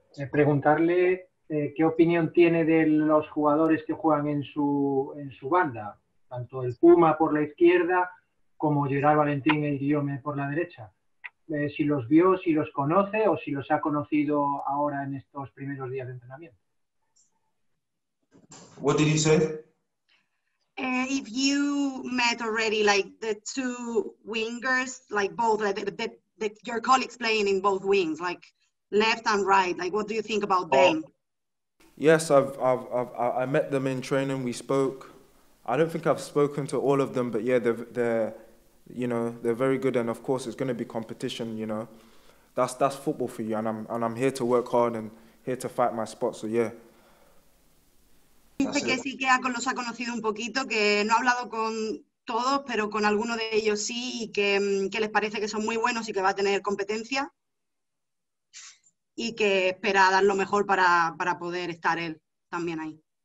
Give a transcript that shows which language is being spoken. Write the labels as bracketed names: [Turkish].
[Spanish] Preguntarle qué opinión tiene de los jugadores que juegan en su banda, tanto el Puma por la izquierda como Gerard Valentín y Guillaume por la derecha. Si los vio, si los conoce o si los ha conocido ahora en estos primeros días de entrenamiento. [English] What did he say? If you met already like the two wingers, like both the your colleagues playing in both wings, like left and right, like what do you think about them? Yes, I met them in training. We spoke. I don't think I've spoken to all of them, but yeah, you know, they're very good, and of course it's going to be competition, you know, that's football for you, and I'm here to work hard and here to fight my spot, so yeah. [Spanish] Dice que sí que los ha conocido un poquito, que no ha hablado con todos, pero con alguno de ellos sí, y que les parece que son muy buenos y que va a tener competencia. Y que espera dar lo mejor para poder estar él también ahí.